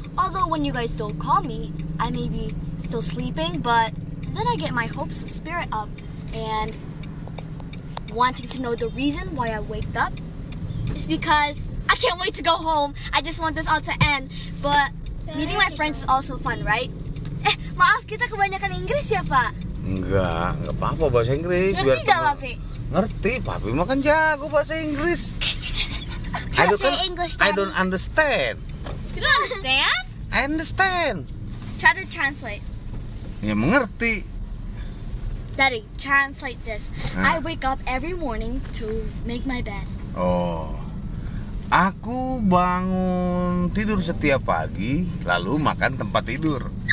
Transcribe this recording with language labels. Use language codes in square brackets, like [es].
[en] Although when you guys don't call me, I may be still sleeping, but then I get my hopes and spirit up and wanting to know the reason why I waked up is because I can't wait to go home. I just want this all to end. But meeting my friends is also fun, right? [id] Maaf, kita kebanyakan Inggris ya, Pak? Enggak apa-apa bahasa Inggris. Ngerti enggak, Papi? Ngerti, Papi mah kan jago bahasa Inggris. [en] I don't say English, Daddy. I don't understand. You don't understand? I understand. Try to translate. [id] Ya, mengerti. [en] Daddy, translate this. I wake up every morning to make my bed. Oh. [id] Aku bangun tidur setiap pagi, lalu makan tempat tidur.